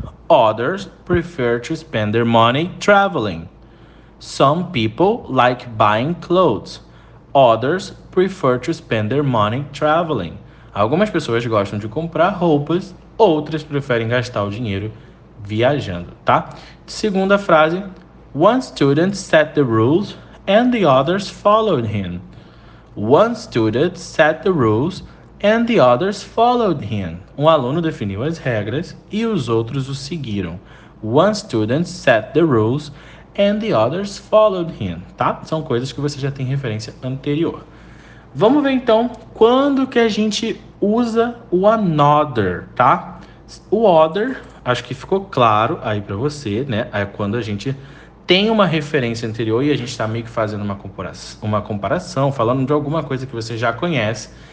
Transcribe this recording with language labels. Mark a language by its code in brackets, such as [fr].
[en] Others prefer to spend their money traveling. Some people like buying clothes. Others prefer to spend their money traveling. [pt] Algumas pessoas gostam de comprar roupas, outras preferem gastar o dinheiro viajando, tá? Segunda frase: [en] One student set the rules and the others followed him. One student set the rules and the others followed him. [pt] Um aluno definiu as regras e os outros o seguiram. [en] One student set the rules and the others followed him, tá? [pt] São coisas que você já tem referência anterior. Vamos ver então quando que a gente usa o another, tá? O other, acho que ficou claro aí para você, né? É quando a gente tem uma referência anterior e a gente está meio que fazendo uma comparação, falando de alguma coisa que você já conhece.